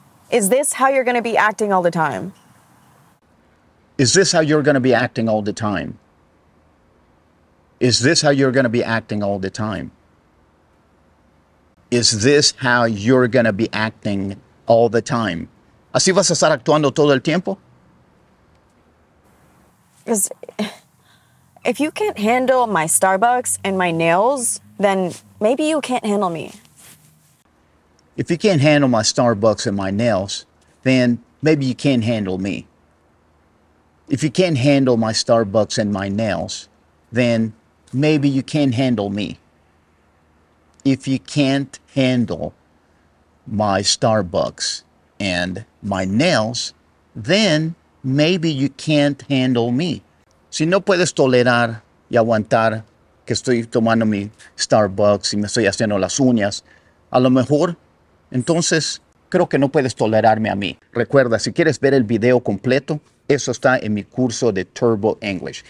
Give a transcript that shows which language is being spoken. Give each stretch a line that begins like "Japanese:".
English: Is this how you're going to be acting all the time? Is this how you're going to be acting all the time? Is this how you're going to be acting all the time? Is this how you're going to be acting all the time?
Spanish: ¿Así vas a estar actuando todo el tiempo?
English: If you can't handle my Starbucks and my nails, then maybe you can't handle me. If you can't handle my Starbucks and my nails, then maybe you can't handle me. If you can't handle my Starbucks and my nails, then maybe you can't handle me. If you can't handle my Starbucks and my nails, then maybe you can't handle me.
Spanish: Si no puedes tolerar y aguantar que estoy tomando mi Starbucks y me estoy haciendo las uñas, a lo mejor, entonces, creo que no puedes tolerarme a mí. Recuerda, si quieres ver el video completo, eso está en mi curso de Turbo English.